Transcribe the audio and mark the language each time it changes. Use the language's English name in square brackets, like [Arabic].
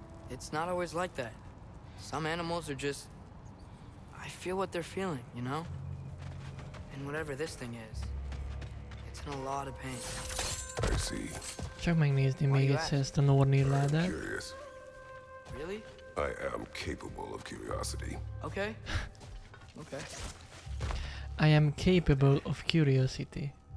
[English] It's not always like that. Some animals are just... I feel what they're feeling, you know? And whatever this thing is, it's in a lot of pain. I see. [Hungarian] Csak megnézni még egyszer ezt a Nornir ládát. [English] Really? I am capable of curiosity. Okay. Okay. I am capable of curiosity.